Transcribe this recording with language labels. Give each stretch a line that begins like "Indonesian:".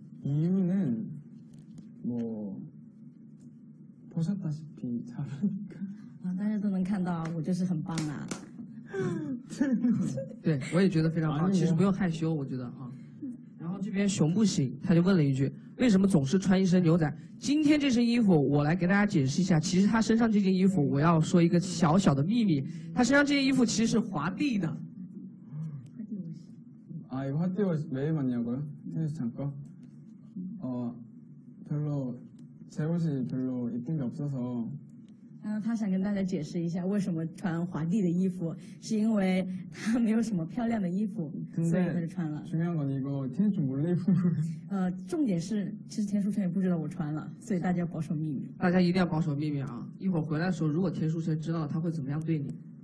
Korean: 이유는뭐보셨다시피잘하니까
Chinese: 아大家都能看到我就是很棒啊对我也觉得非常棒其实不用害羞我觉得啊然后这边熊不行他就问了一句为什么总是穿一身牛仔今天这身衣服我来给大家解释一下其实他身上这件衣服我要说一个小小的秘密他身上这件衣服其实是华帝的
Korean: 아이거화띠옷매일맞냐고요테니스장과별로 제옷이별로예쁜게없어서
Chinese: 他想跟大家解释一下为什么穿华帝的衣服，是因为他没有什么漂亮的衣服，所以他就穿了。
Korean: 중요한건이거天수몰래입은거예요。
Chinese: 重点是，其实天书晨也不知道我穿了，所以大家保守秘密。大家一定要保守秘密啊！一会儿回来的时候，如果天书晨知道了，他会怎么样对你？